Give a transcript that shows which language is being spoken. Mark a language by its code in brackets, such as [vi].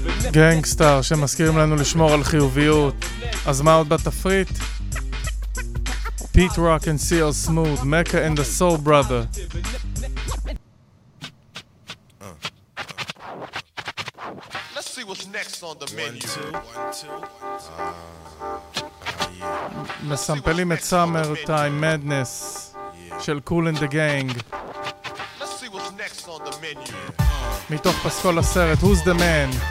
[he] גנגסטר שמזכירים לנו לשמור על חיוביות. אז מה עוד בתפריט? פיט רוק אנד סיל סמוד, מקה אנד הסול בראדר. [en] Let's see what's next on the menu. [he] מסמפלים את סאמר טיים מדנס של קול אנד דה גנג. [en] Let's see what's next on the menu. [he] מתוך פסקול הסרט, Who's the Man?